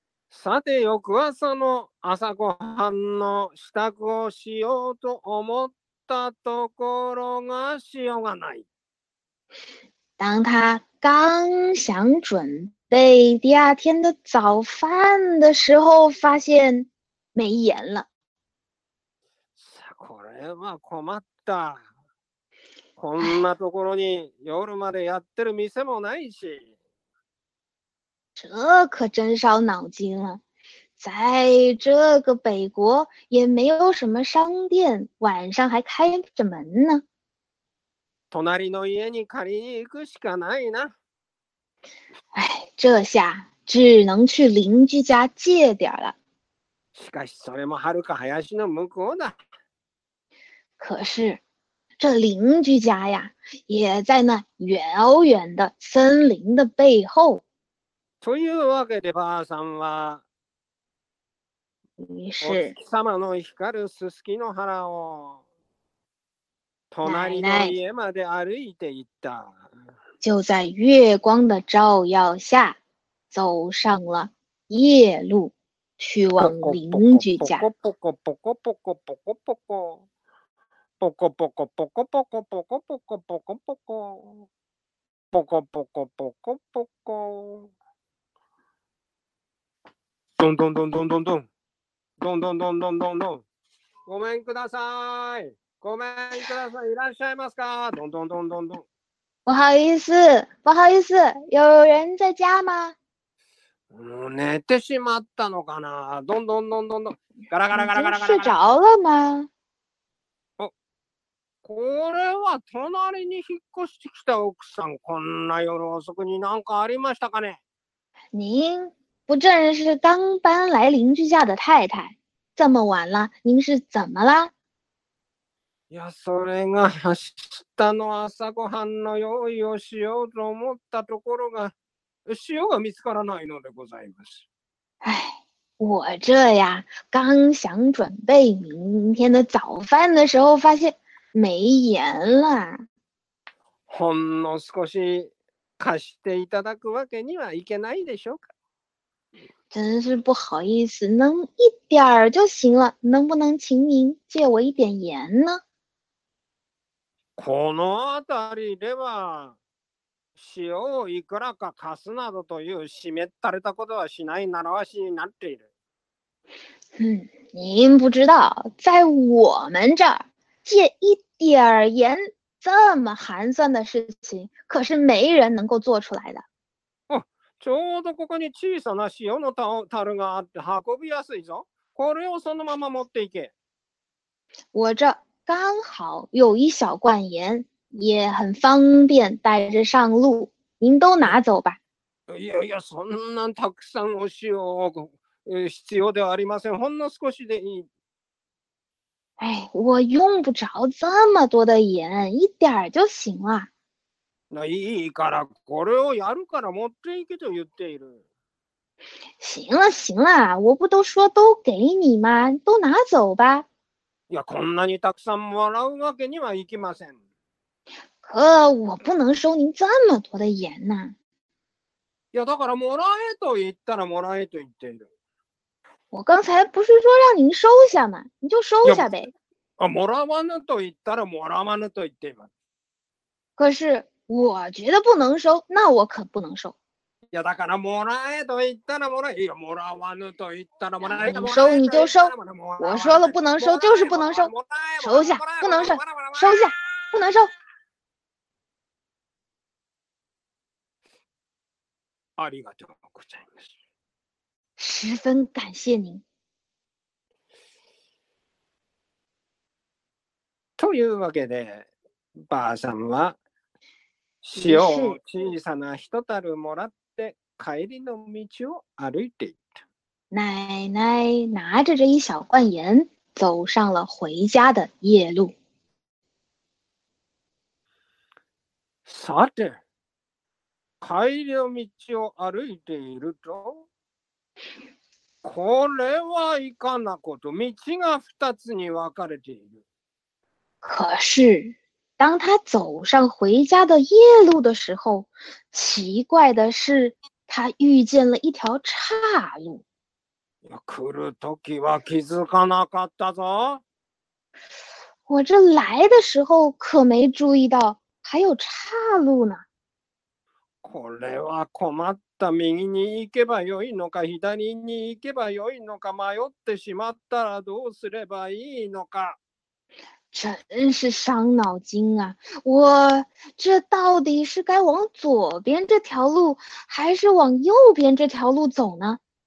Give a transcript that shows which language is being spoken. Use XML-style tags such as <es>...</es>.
<ja>さて、翌朝の朝ごはんの支度をしようと思ったところが、しようがない。</ja> <zh>当他刚想准备第二天的早饭的时候，发现没盐了。</zh> <ja>これは困った。こんなところに夜までやってる店もないし。</ja> <zh>这可真烧脑筋了。在这个北国也没有什么商店，晚上还开着门呢。</zh> <ja>隣の家に借りに行くしかないな。</ja> <zh>哎，这下只能去邻居家借点了。</zh> <ja>しかしそれもはるか林の向こうだ。</ja> <zh>可是这邻居家呀，也在那遥远的森林的背后。</zh> <ja>というわけで、ばあさんは、</ja> <zh>于是</zh> <ja>お月様の光るススキの花を隣の家まで歩いていった。</ja> <zh>就在月光的照耀下，走上了夜路，去往邻居家。</zh> <ja>ポコポコポコポコポコポコ。ポコポコポコポコポコポコポコポコポコポコポコポコどんどんどんどんどんどんどんどんどんどんどんどんごめんくださいごめんくださいいらっしゃいますかどんどんどんどんどん</ja> <zh>不好意思不好意思有人在家吗</zh> <ja>もう寝てしまったのかなどんどんどんどんどんガラガラガラガラガラ</ja> <zh>睡着了吗</zh> <ja>これは隣に引っ越してきた奥さん、こんな夜遅くに何かありましたかね？</ja> <zh>您不正是刚搬来邻居家的太太？这么晚了，您是怎么了？</zh> <ja>いや、それが明日の朝ごはんの用意をしようと思ったところが、塩が見つからないのでございます。</ja> <zh>唉。我这呀，刚想准备明天的早饭的时候，发现。没盐了。</zh> <ja>ほんの少し貸していただくわけにはいけないでしょうか。</ja> <zh>真是不好意思，能一点儿就行了，能不能请您借我一点盐呢？</zh> <ja>このあたりでは塩をいくらか貸すなどという湿ったれたことはしない習わしになっている。</ja> <zh>您不知道，在我们这儿。借一点儿盐这么寒酸的事情可是没人能够做出来的。</zh> <ja>哦ちょうどここに小さな塩の樽があって運びやすいぞ。これをそのまま持っていけ。</ja> <zh>我这刚好有一小罐盐也很方便带着上路。您都拿走吧。</zh> <ja>いやいやそんなたくさんお塩必要ではありません。ほんの少しでいい。</ja> <zh>哎，我用不着这么多的盐，一点儿就行了。</zh> <ja>那いいからこれをやるから持っていけと言っている。</ja> <zh>行了行了，我不都说都给你吗？都拿走吧。</zh> <ja>いやこんなにたくさんもらうわけにはいきません。</ja> <zh>可我不能收您这么多的盐呐。</zh> <ja>いやだからもらえと言ったらもらえと言っている。</ja> <zh>我刚才不是说让您收下吗？你就收下呗。</zh> <ja>啊，もらわぬと言ったらもらわぬと言っています。</ja> <zh>可是我觉得不能收，那我可不能收。</zh> <ja>やだからもらえと言ったらもらえ、いやもらわぬと言ったらもらえ、</ja> <zh>你收你就收，我说了不能收就是不能收，收下，不能收，收下，不能收。</zh> <ja>ありがとうございます。</ja> <zh>十分感谢您。</zh> <ja>というわけで、ばあさんは塩を小さな一たるもらって帰りの道を歩いていった。</ja> <zh>奶奶拿着这一小罐盐，走上了回家的夜路。</zh> <ja>さて、帰りの道を歩いていると、これはいかなこと、道が二つに分かれている。</ja> <zh>可是，当他走上回家的夜路的时候，奇怪的是，他遇见了一条岔路。</zh> <ja>来る時は気づかなかったぞ。</ja> <zh>我这来的时候可没注意到还有岔路呢。</zh> <ja>これは困った。右に行けばよいのか、左に行けばよいのか、迷ってしまったらどうすればいいのか。</ja> <zh>真是伤脑筋啊，我这到底是该往左边这条路还是往右边这条路走呢？</zh>